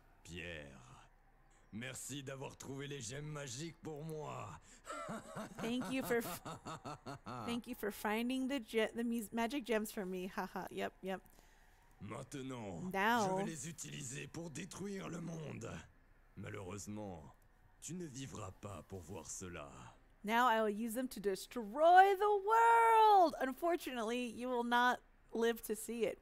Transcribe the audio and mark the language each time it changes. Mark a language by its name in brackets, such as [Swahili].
[French] Pierre, merci d'avoir trouvé les gemmes magiques pour moi. [English] Thank you for finding the magic gems for me. Haha. Yep. [French] Maintenant, [English] now, [French] je vais les utiliser pour détruire le monde. Malheureusement, tu ne vivras pas pour voir cela. [English] Now I will use them to destroy the world. Unfortunately, you will not live to see it.